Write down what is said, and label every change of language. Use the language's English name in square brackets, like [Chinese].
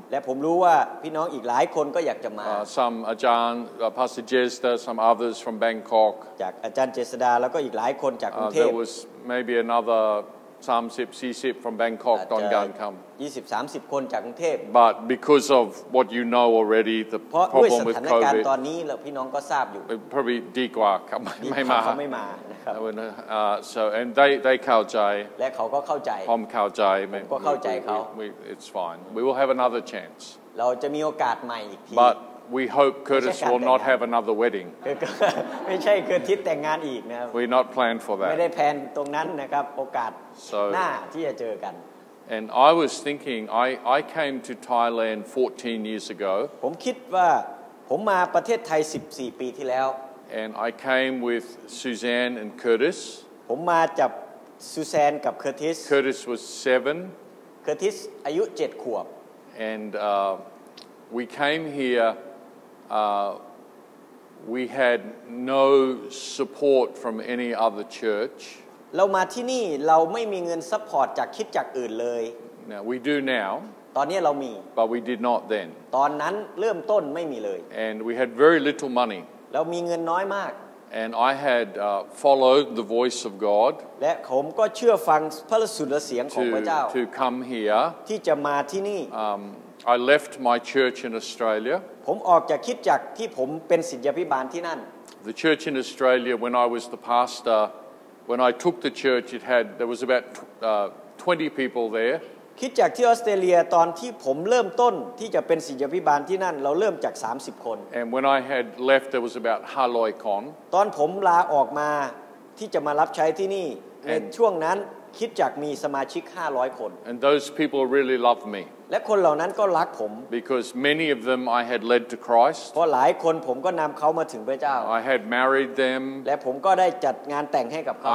[Thai] และผมรู้ว่าพี่น้องอีกหลายคนก็อยากจะมา [English] Some Ajahn, Pastor Jesda, some others from Bangkok. [Thai] จากอาจารย์เจษดาแล้วก็อีกหลายคนจากกรุงเทพ [English] There was maybe another 30, 40 from Bangkok, Don Gan come. [Thai] 20, 30คนจากกรุงเทพ [English] But because of what you know already, the problem with COVID. [Thai] เพราะด้วยสถานการณ์ตอนนี้แล้วพี่น้องก็ทราบอยู่ [English] Probably [Thai] ดีกว่าครับไม่มา ไม่มานะครับ [English] So and they [Thai] เข้าใจ และเขาก็เข้าใจ ผมเข้าใจไ ม่ก็เข้าใจเขา [English] It's fine. We will have another chance. [Thai] เราจะมีโอกาสใหม่อีกที [English] But we hope Curtis will not have another wedding. [Thai] ไม่ใช่ Curtis แต่งงานอีกนะครับ [English] We're not planned for that. [Thai] ไม่ได้แพลนตรงนั้นนะครับโอกาสหน้าที่จะเจอกัน [English] And I was thinking I came to Thailand 14 years ago. [Thai] ผมคิดว่าผมมาประเทศไทย14ปีที่แล้ว [English] And I came with Suzanne and Curtis. [Thai] ผมมาจับซูแซนกับ Curtis. [English] Curtis was 7. [Thai] Curtis อายุ7ขวบ [English] And we came here we had no support from any other church. [Thai] เรามาที่นี่เราไม่มีเงินซัพพอร์ตจากคริสตจักรอื่นเลย [English] Now we do now. [Thai] ตอนนี้เรามี [English] But we did not then. [Thai] ตอนนั้นเริ่มต้นไม่มีเลย [English] And we had very little money. [Thai] เรามีเงินน้อยมาก [English] And I had followed the voice of God. [Thai] และผมก็เชื่อฟังพระสุรเสียงของพระเจ้า [English] To come here. [Thai] ที่จะมาที่นี่ [English] I left my church in Australia. [Thai] ผมออกจากคริสตจักรที่ผมเป็นศิษยาภิบาลที่นั่น [English] The church in Australia when I was the pastor when I took the church it had there was about 20 people there. [Thai] คริสตจักรที่ออสเตรเลียตอนที่ผมเริ่มต้นที่จะเป็นศิษยาภิบาลที่นั่นเราเริ่มจาก30คน [English] And when I had left there was about 500 con. [Thai] ตอนผมลาออกมาที่จะมารับใช้ที่นี่ในช่วงนั้นคริสตจักรมีสมาชิก500คน [English] And those people really loved me [Thai] และคนเหล่านั้นก็รักผม [English] Because many of them I had led to Christ. [Thai] เพราะหลายคนผมก็นำเขามาถึงพระเจ้า [English] I had married them. [Thai] และผมก็ได้จัดงานแต่งให้กับเขา